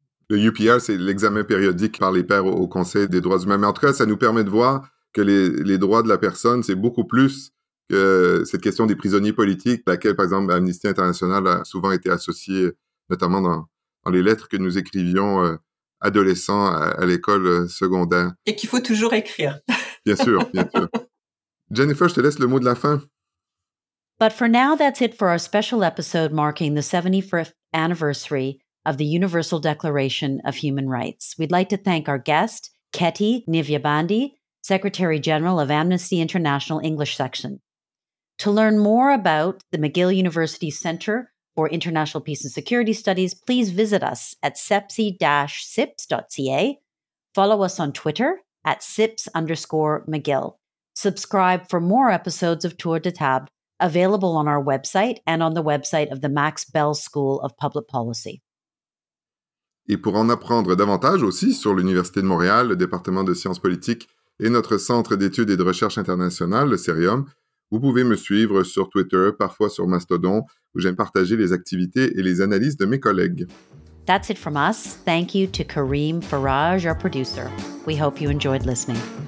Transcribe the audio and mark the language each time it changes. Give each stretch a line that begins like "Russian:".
French: Le UPR, c'est l'examen périodique par les pairs au Conseil des droits humains. Mais en tout cas, ça nous permet de voir que les droits de la personne, c'est beaucoup plus que cette question des prisonniers politiques, laquelle, par exemple, Amnesty International a souvent été associée, notamment dans les lettres que nous écrivions adolescents à l'école secondaire. Et qu'il faut toujours écrire. Bien sûr, bien sûr. Jennifer, je te laisse le mot de la fin.
English: But for now, that's it for our special episode marking the 75th anniversary of the Universal Declaration of Human Rights. We'd like to thank our guest, Keti Nivyabandi, Secretary General of Amnesty International English Section. To learn more about the McGill University Center for International Peace and Security Studies, please visit us at sepsi-sips.ca. Follow us on Twitter at sips_McGill. Subscribe for more episodes of Tour de Table, available on our website and on the website of the Max Bell School of Public Policy.
French: Et pour en apprendre davantage aussi sur l'Université de Montréal, le département de sciences politiques et notre centre d'études et de recherche internationale, le CERIUM, vous pouvez me suivre sur Twitter, parfois sur Mastodon, où j'aime partager les activités et les analyses de mes collègues.
English: That's it from us. Thank you to Karim Farage, our producer. We hope you enjoyed listening.